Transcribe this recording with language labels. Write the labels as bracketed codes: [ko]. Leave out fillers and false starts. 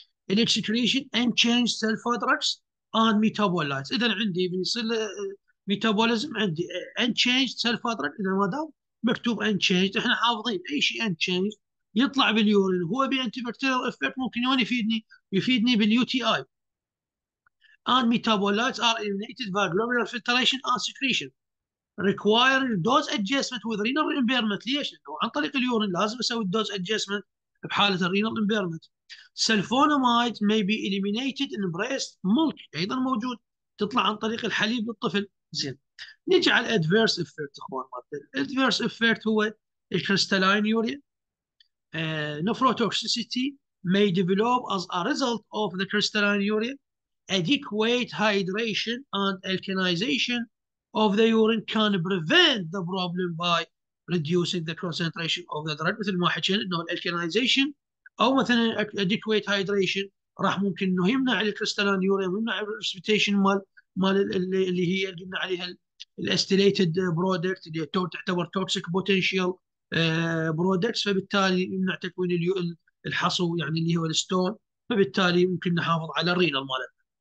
[en] الاكسكريشن unchanged sulfa drugs and metabolites. [ar] اذا عندي بيصير ميتابوليزم، عندي [en] unchanged sulfa drugs, [ar] اذا ما دام مكتوب اند تشينج احنا حافظين اي شيء اند تشينج يطلع باليورين هو بي انتي بكتيريال افكت، ممكن يفيدني باليو تي اي. [en] And metabolites are eliminated by glomerular filtration and secretion, requiring dose adjustment with renal impairment. [ar] ليش؟ لأنه عن طريق اليورين لازم أسوي dose adjustment بحالة renal impairment. [en] Sulfonamide may be eliminated in breast milk. [ar] أيضا موجود تطلع عن طريق الحليب للطفل. زين نيجي على adverse effect أخوان مرتين. [en] Adverse effect [ar] هو الكريستالين يوريا. [en] Nephrotoxicity may develop as a result of the crystalline urea. Adequate hydration and alkalization of the urine can prevent the problem by reducing the concentration of the drug. [ar] مثل ما حكينا انه الالكنايزيشن او مثلا adequate hydration راح ممكن انه يمنع الكريستالان يوريا، يمنع الريسبتيشن مال اللي هي اللي قلنا عليها الاستيليتد برودكت اللي تعتبر [en] toxic potential products, [ar] فبالتالي يمنع تكوين الحصو يعني اللي هو الستون، فبالتالي ممكن نحافظ على الرينال مالنا.